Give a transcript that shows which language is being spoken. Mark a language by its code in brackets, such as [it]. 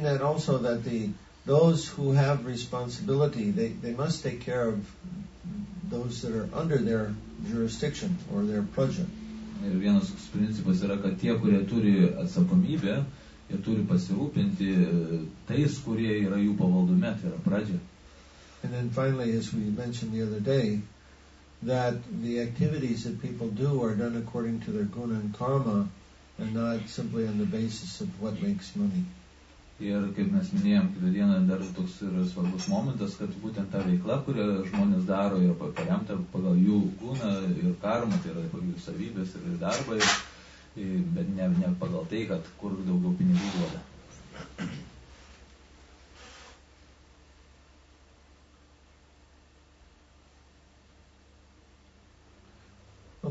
[en] Those who have responsibility, they must take care of those that are under their jurisdiction or their praja. [lt] Ir vienas principas yra, kad tie, kurie turi atsakomybę, jie turi pasirūpinti tais, kurie yra jų pavaldume, tai yra praja. [en] And then finally, as we mentioned the other day, that the activities that people do are done according to their guna and karma, and not simply on the basis of what makes money. [lt] Ir kaip mes minėjom, kitą dieną dar toks yra svarbus momentas, kad būtent ta veikla, kurią žmonės daro, yra paremta pagal jų kūną ir karmą, tai yra pagal jų savybės ir darbą, bet ne pagal tai, kad kur daugiau pinigų duoda.